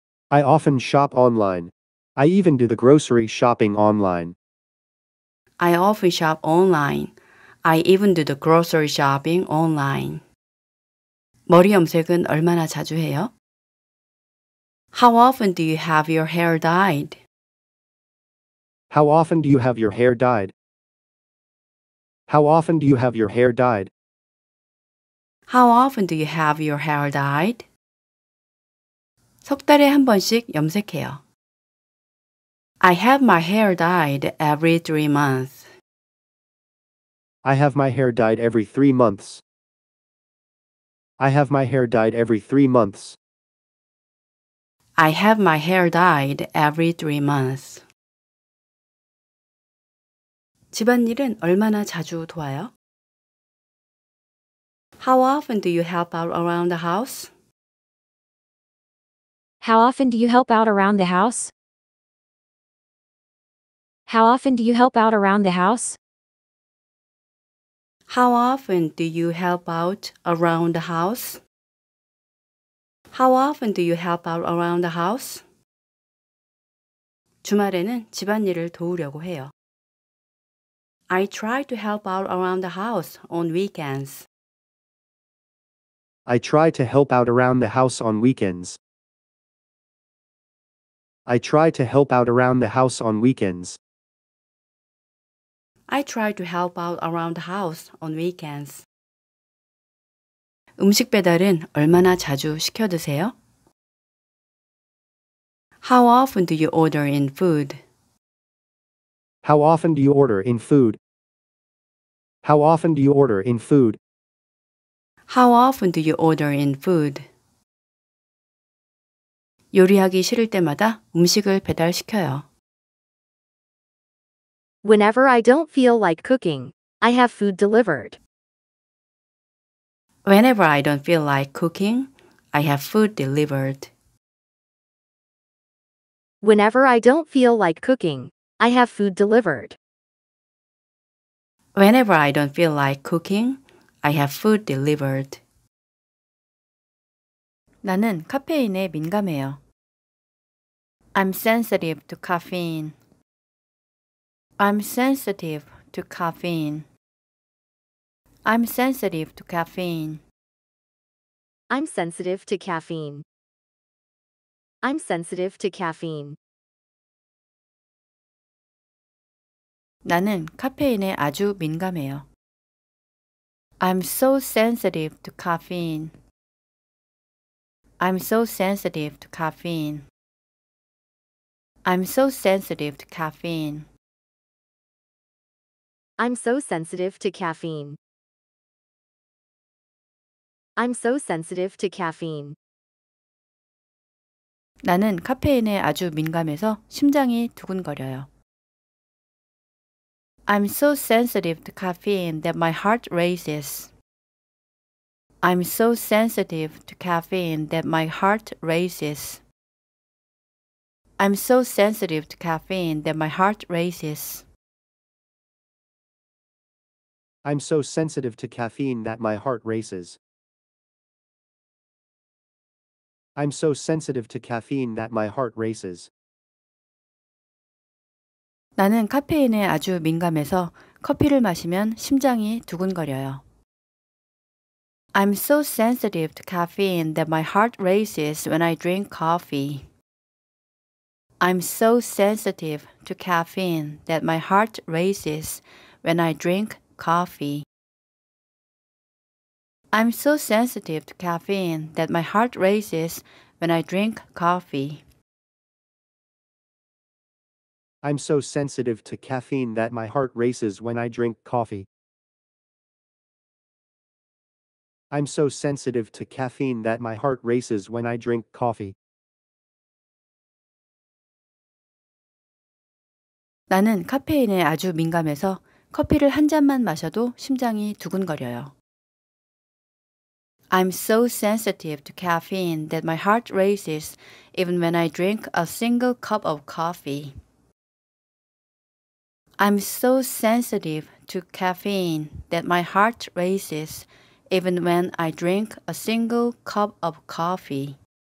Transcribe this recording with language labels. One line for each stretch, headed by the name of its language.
English: I often shop online. I even do the grocery shopping online. I often shop online. I even do the grocery shopping online.
Korean: 머리 염색은 얼마나 자주 해요?
English: How often do you have your hair dyed? How often do you have your hair dyed? How often do you have your hair dyed? How often do you have your hair dyed?
Korean: 석 달에 한 번씩 염색해요.
English: I have my hair dyed every 3 months. I have my hair dyed every 3 months. I have my hair dyed every 3 months. I have my hair dyed every 3 months.
Korean: 집안일은 얼마나 자주 도와요?
English: How often do you help out around the house? How often do you help out around the house? How often do you help out around the house? How often do you help out around the house? How often do you help out around the house?
Korean: 주말에는 집안일을 도우려고 해요.
English: I try to help out around the house on weekends. I try to help out around the house on weekends. I try to help out around the house on weekends. I try to help out around the house on weekends.
Korean: 음식 배달은 얼마나 자주 시켜 드세요?
English: How often do you order in food? How often do you order in food? How often do you order in food? How often do you order in food?
Korean: 요리하기 싫을 때마다 음식을 배달시켜요.
English: Whenever I don't feel like cooking, I have food delivered. Whenever I don't feel like cooking, I have food delivered. Whenever I don't feel like cooking, I have food delivered. Whenever I don't feel like cooking, I have food delivered.
Korean: 나는 카페인에 민감해요.
English: I'm sensitive to caffeine. I'm sensitive to caffeine. I'm sensitive to caffeine. I'm sensitive to caffeine. I'm sensitive to caffeine.
Korean: 나는 카페인에 아주 민감해요.
English: I'm so sensitive to caffeine. I'm so sensitive to caffeine. I'm so sensitive to caffeine. I'm so sensitive to caffeine. I'm so sensitive to caffeine.
Korean: 나는 카페인에 아주 민감해서 심장이 두근거려요.
English: I'm so sensitive to caffeine that my heart races. I'm so sensitive to caffeine that my heart races. I'm so sensitive to caffeine that my heart races. I'm so sensitive to caffeine that my heart races. I'm so sensitive to caffeine that my heart races.
Korean: 나는 카페인에 아주 민감해서 커피를 마시면 심장이 두근거려요.
English: I'm so sensitive to caffeine that my heart races when I drink coffee. I'm so sensitive to caffeine that my heart races when I drink coffee. I'm so sensitive to caffeine that my heart races when I drink coffee. I'm so sensitive to caffeine that my heart races when I drink coffee. I'm so sensitive to caffeine that my heart races when I drink coffee.
Korean: 나는 카페인에 아주 민감해서 커피를 한 잔만 마셔도 심장이 두근거려요.
English: I'm so sensitive to caffeine that my heart races even when I drink a single cup of coffee. I'm so sensitive to caffeine that my heart races even when I drink a single cup of coffee.